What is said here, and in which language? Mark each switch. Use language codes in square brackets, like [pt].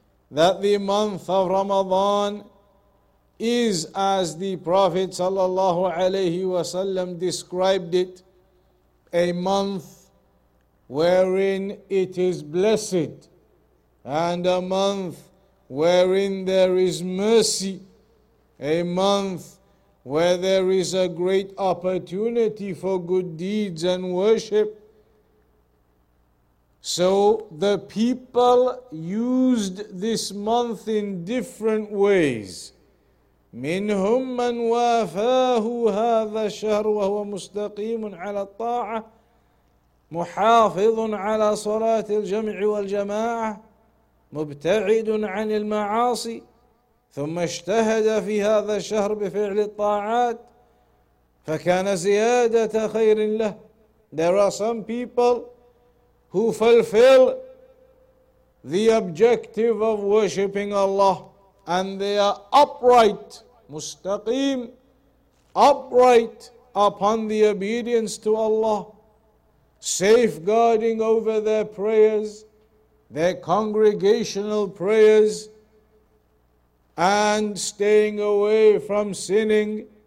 [en] that the month of Ramadan is as the Prophet sallallahu alayhi wa sallam described it, a month wherein it is blessed, and a month wherein there is mercy, a month where there is a great opportunity for good deeds and worship. So the people used this month in different ways. [ar] مِنْهُمْ مَنْ وَافَاهُ هَذَا الشَّهْرُ وَهُوَ مُسْتَقِيمٌ عَلَى الطَّاعَةِ مُحَافِظٌ عَلَى صَلَاةِ الْجَمْعِ وَالْجَمَاعَةِ مُبْتَعِدٌ عَنِ الْمَعَاصِي ثم اجتهد في هذا الشهر بفعل الطاعات فكان زيادة خير له. [en] There are some people who fulfill the objective of worshipping Allah, and they are upright, مستقيم, upright upon the obedience to Allah, safeguarding over their prayers, their congregational prayers, and staying away from sinning.